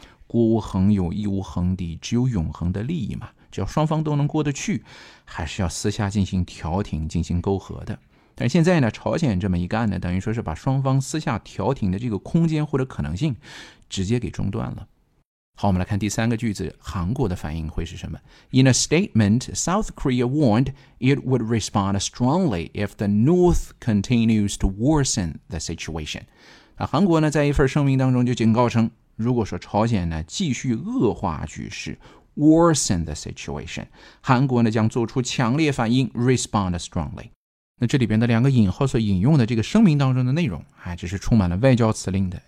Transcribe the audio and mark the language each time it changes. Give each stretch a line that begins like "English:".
Chinese: 国无恒有，义无恒敌，只有永恒的利益嘛。只要双方都能过得去，还是要私下进行调停，进行沟和的。但是现在呢，朝鲜这么一干呢，等于说是把双方私下调停的这个空间或者可能性直接给中断了。好，我们来看第三个句子，韩国的反应会是什么。
English: In a statement, South Korea warned it would respond strongly if the North continues to worsen the situation.
Chinese: 那韩国呢在一份声明当中就警告称，如果说朝鲜呢继续恶化局势，
English: worsen the situation,
Chinese: 韩国呢将做出强烈反应，
English: respond strongly。
Chinese: 那这里边的两个引号所引用的这个声明当中的内容，还只是充满了外交辞令的。